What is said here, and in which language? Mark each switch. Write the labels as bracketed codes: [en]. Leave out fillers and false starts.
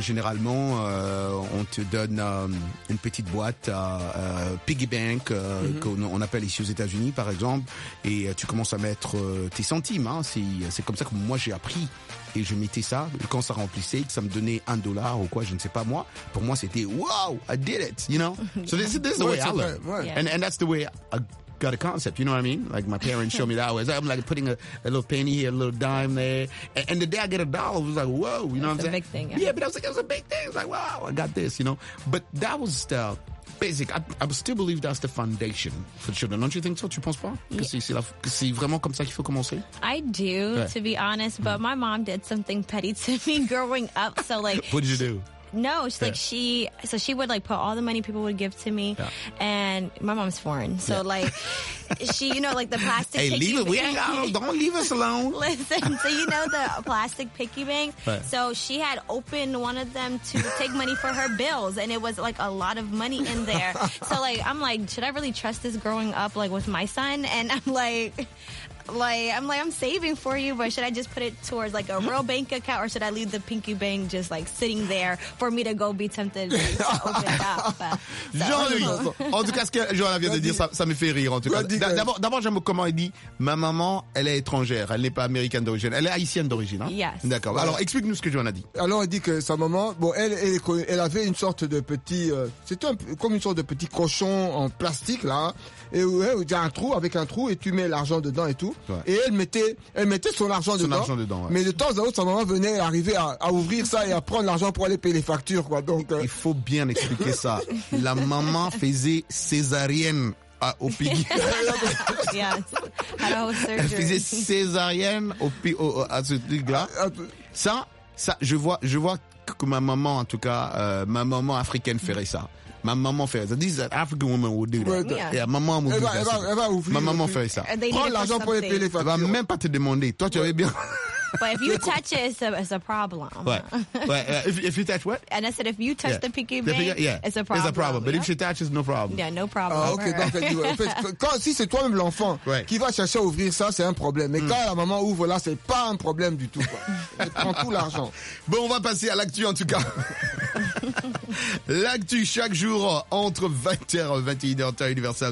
[fr] Généralement, on te donne une petite boîte piggy bank qu'on appelle ici aux États-Unis, par exemple, et tu commences à mettre tes centimes. Hein. C'est comme ça que moi j'ai appris. Et je mettais ça, quand ça remplissait, que ça me donnait $1 ou quoi, je ne sais pas moi. Pour moi, c'était [en] « Wow, I did it !» You know? So this is the way I learned. And that's the way I got a concept, you know what I mean? Like my parents show me that way. I'm like putting a little penny here, a little dime there. And the day I get a dollar, it was like, whoa, you know what I'm saying? It's a big thing. Yeah, but I was like, it was a big thing. It's like, wow, I got this, you know? But that was the basic. I still believe that's the foundation for children. Don't you think so? [fr] Tu penses pas? Que c'est vraiment comme ça qu'il faut commencer? [en] I do, to be honest. But my mom did something petty to me growing up. So like, what did you do? No, she's like she would like put all the money people would give to me, and my mom's foreign, so like she, you know, like the plastic. Hey, piggy leave It. We ain't got them. Don't leave us alone. Listen, so you know the plastic piggy bank. Right. So she had opened one of them to take money for her bills, and it was like a lot of money in there. So like, I'm like, should I really trust this growing up like with my son? And I'm like. Like, I'm saving for you, but should I just put it towards, like, a real bank account, or should I leave the pinky bank just, like, sitting there for me to go be tempted to open it up? [fr] Jean-Louis, en tout cas, ce que Johanna vient de dire, ça me fait rire, en tout cas. D'abord, j'aime comment elle dit, ma maman, elle est étrangère, elle n'est pas américaine d'origine, elle est haïtienne d'origine. Hein? [en] Yes. [fr] D'accord. Alors, explique-nous ce que Johanna dit. Alors, elle dit que sa maman, bon, elle avait une sorte de petit, comme une sorte de petit cochon en plastique, là, et où il y a un trou, avec un trou, et tu mets l'argent dedans et tout. Ouais. Et elle mettait son argent dedans ouais. Mais de temps à autre, sa maman venait arriver à ouvrir ça et à prendre l'argent pour aller payer les factures, quoi. Donc, il faut bien expliquer ça. La maman faisait césarienne au piggy. [en] Yes. [fr] Elle faisait césarienne à ce truc-là. Ça, je vois que ma maman, en tout cas, ma maman africaine ferait ça. Ma maman fait ça. [en] This is an African woman would do that. Right. Yeah. Yeah, maman would do that. [fr] Elle va ouvrir. Ma maman fait ça. Prends l'argent pour payer les factures. Elle va même pas te demander. Toi, tu avais bien. [en] But if you touch it, it's a problem. If you touch what? And I said, if you touch the piggy bank, it's a problem. It's a problem. But if she touches, no problem. Yeah, no problem. Ah, okay. [fr] Donc, elle dit, ouais. En fait, si c'est toi-même l'enfant qui va chercher à ouvrir ça, c'est un problème. Mais quand la maman ouvre là, c'est pas un problème du tout. Elle prend tout l'argent. Bon, on va passer à l'actu en tout cas. L'actu chaque jour entre 20h et 21h temps universel.